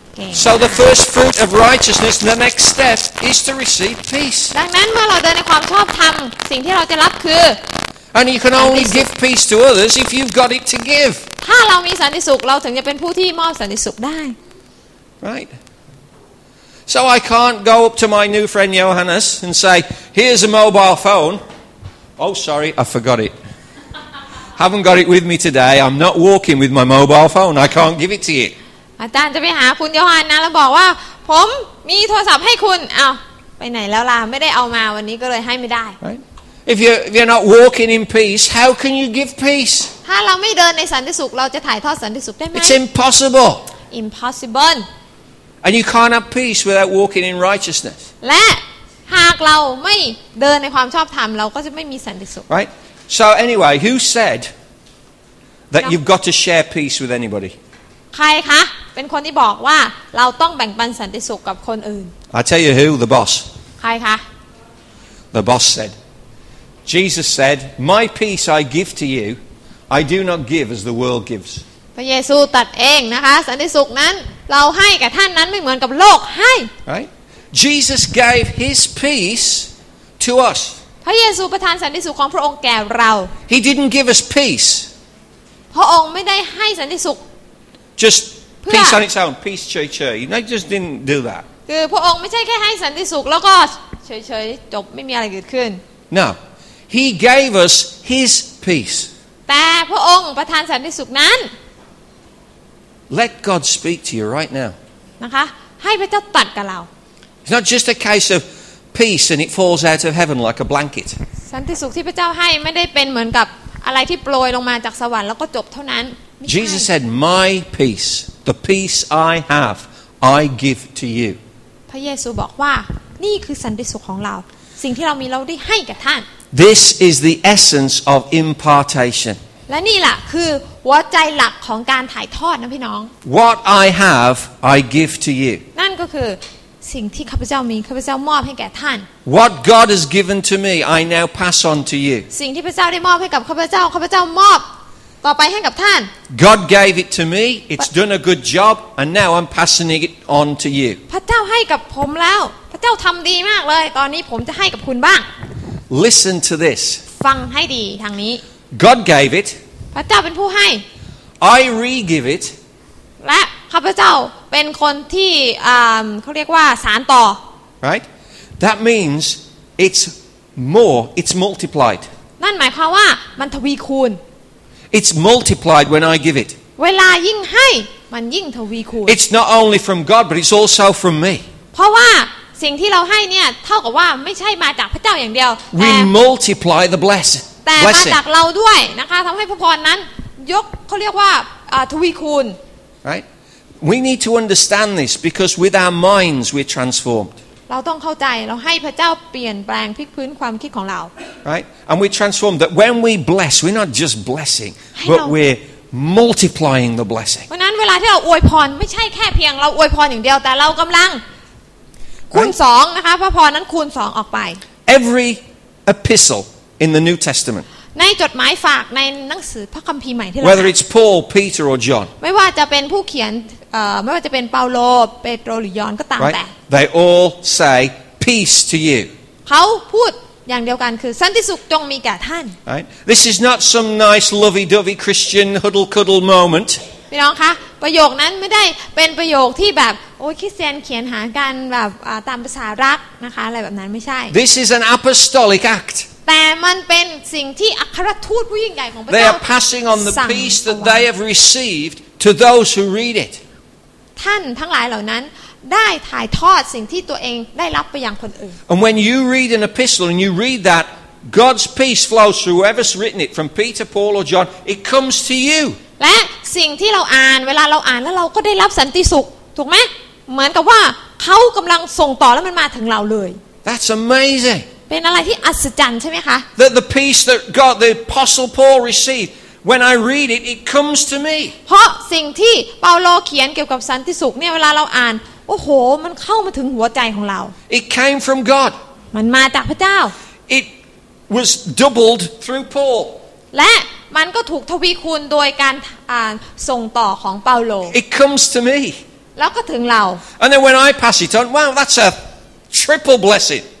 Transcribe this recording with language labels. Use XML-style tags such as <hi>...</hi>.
<en>So the first fruit of righteousness, the next step is to receive peace.</en> <th>ดังนั้นเมื่อเราเดินในความชอบธรรมสิ่งที่เราจะรับคือ</th> <en>And you can only give peace to others if you've got it to give.</en> <th>ถ้าเรามีสันติสุขเราถึงจะเป็นผู้ที่มอบสันติสุขได้</th> <en>Right. So I can't go up to my new friend Johannes and say, "Here's a mobile phone." Oh, sorry, I forgot it. haven't got it with me today. I'm not walking with my mobile phone. I can't give it to you.</en> <th>อาจารย์จะไปหาคุณโยฮันนะแล้วบอกว่าผมมีโทรศัพท์ให้คุณเอาไปไหนแล้วล่ะไม่ได้เอามาวันนี้ก็เลยให้ไม่ได้</th> <en>If you're not walking in peace, how can you give peace?</en> <th>ถ้าเราไม่เดินในสันติสุขเราจะถ่ายทอดสันติสุขได้ไหม</th> <en>It's impossible. Impossible. And you can't have peace without walking in righteousness.</en> <th>และหากเราไม่เดินในความชอบธรรมเราก็จะไม่มีสันติสุข</th> <en>Right. So anyway, who said that you've got to share peace with anybody?</en> <th>ใครคะเป็นคนที่บอกว่าเราต้องแบ่งปันสันติสุขกับคนอื่น</th> <en>I tell you who, the boss.</en> <th>ใครคะ</th> <en>The boss said. Jesus said, "My peace I give to you. I do not give as the world gives."</en> <th>พระเยซูตรัสเองนะคะสันติสุขนั้นเราให้แก่ท่านนั้นไม่เหมือนกับโลกให้</th> <en>Right? Jesus gave His peace to us.</en> <th>พระเยซูประทานสันติสุขของพระองค์แก่เรา</th> <en>He didn't give us peace.</en> <th>พระองค์ไม่ได้ให้สันติสุข</th> <en>Just peace on its own, peace cheer. You know, just didn't do that.</en> <th>คือพระองค์ไม่ใช่แค่ให้สันติสุขแล้วก็เฉยๆจบไม่มีอะไรเกิดขึ้น</th> <en>No. He gave us His peace.</en> <th>แต่พระองค์ประทานสันติสุขนั้น</th> <en>Let God speak to you right now.</en> <th>นะคะให้พระเจ้าตรัสกับเรา</th> <en>It's not just a case of peace and it falls out of heaven like a blanket.</en> <th>สันติสุขที่พระเจ้าให้ไม่ได้เป็นเหมือนกับอะไรที่โปรยลงมาจากสวรรค์แล้วก็จบเท่านั้น</th> <en>Jesus said, "My peace, the peace I have, I give to you."</en> <th>พระเยซูบอกว่านี่คือสันติสุขของเราสิ่งที่เรามีเราได้ให้กับท่าน</th> <en>This is the essence of impartation.</en> <th>และนี่แหละคือหัวใจหลักของการถ่ายทอดนะพี่น้อง</th> <en>What I have, I give to you.</en> <th>นั่นก็คือสิ่งที่ข้าพเจ้ามีข้าพเจ้ามอบให้แก่ท่าน</th> <en>What God has given to me, I now pass on to you.</en> <th>สิ่งที่พระเจ้าได้มอบให้กับข้าพเจ้าข้าพเจ้ามอบต่อไปให้กับท่าน</th> <en>God gave it to me. It's done a good job, and now I'm passing it on to you.</en> <th>พระเจ้าให้กับผมแล้วพระเจ้าทำดีมากเลยตอนนี้ผมจะให้กับคุณบ้าง</th> <en>Listen to this.</en> <th>ฟังให้ดีทางนี้</th> <en>God gave it.</en> <th>พระเจ้าเป็นผู้ให้</th> <en>I re-give it.</en> <th>และข้าพเจ้าเป็นคนที่เขาเรียกว่าสานต่อ</th> <en>Right? That means it's more. It's multiplied.</en> <th>นั่นหมายความว่ามันทวีคูณ</th> <en>It's multiplied when I give it.</en> <th>เวลายิ่งให้มันยิ่งทวีคูณ</th> <en>It's not only from God, but it's also from me.</en> <th>เพราะว่าสิ่งที่เราให้เนี่ยเท่ากับว่าไม่ใช่มาจากพระเจ้าอย่างเดียว</th> <en>We multiply the blessing</en> <th>แต่มาจากเราด้วยนะคะทำให้พระพรนั้นยกเขาเรียกว่าทวีคูณ</th> <en>Right We need to understand this because with our minds we're transformed</en> <th>เราต้องเข้าใจเราให้พระเจ้าเปลี่ยนแปลงพลิกพื้นความคิดของเรา</th> <en>Right And we transform that when we bless we're not just blessing but we'reMultiplying the blessing</en> <th>เพราะนั้นเวลาที่เราอวยพรไม่ใช่แค่เพียงเราอวยพรอย่างเดียวแต่เรากำลังคูณ2นะคะพระพรนั้นคูณ2ออกไป</th> <en>Every epistle in the New Testament</en> <th>ในจดหมายฝากในหนังสือพระคัมภีร์ใหม่ที่เร</th> <en>า Whether it's Paul, Peter or John</en> <th>ไม่ว่าจะเป็นผู้เขียนไม่ว่าจะเป็นเปาโลเปโตรหรือยอห์นก็ตามแต่</th> <en>They all say peace to you</en> <th>เขาพูดอย่างเดียวกันคือสันติสุขจงมีแก่ท่าน</th> <en>Right This is not some nice lovey-dovey Christian huddle-cuddle moment</en> <th>พี่น้องคะประโยคนั้นไม่ได้เป็นประโยคที่แบบโอ้ยคริสเตียนเขียนหากันแบบตามภาษารักนะคะอะไรแบบนั้นไม่ใช่</th> <en>This is an apostolic act</en> <th>แต่มันเป็นสิ่งที่อัครทูตผู้ยิ่งใหญ่ของพระเจ้</th> <en>า They are passing on the peace that they have received to those who read it</en> <th>ท่านทั้งหลายเหล่านั้นได้ถ่ายทอดสิ่งที่ตัวเองได้รับไปยังคนอื่น</th> <en>And when you read an epistle and you read that God's peace flows through whoever's written it from Peter, Paul or John it comes to you</en> <th>และสิ่งที่เราอ่านเวลาเราอ่านแล้วเราก็ได้รับสันติสุขถูกไหมเหมือนกับว่าเขากำลังส่งต่อแล้วมันมาถึงเราเลย</th> <en>That's amazing</en> <th>เป็นอะไรที่อัศจรรย์ใช่ไหมคะ</th> <en>That the peace that God the Apostle Paul received when I read it it comes to me</en> <th>เพราะสิ่งที่เปาโลเขียนเกี่ยวกับสันติสุขเนี่ยเวลาเราอ่านโอ้โหมันเข้ามาถึงหัวใจของเรา</th> <en>It came from God</en> <th>มันมาจากพระเจ้า</th> <en>It was doubled through Paul</en> <th>และมันก็ถูกทวีคูณโดยการส่งต่อของเปาโล</th> <en>It comes to me</en> <th>แล้วก็ถึงเรา</th> <en>And then when I pass it on wow that's a triple blessing</en>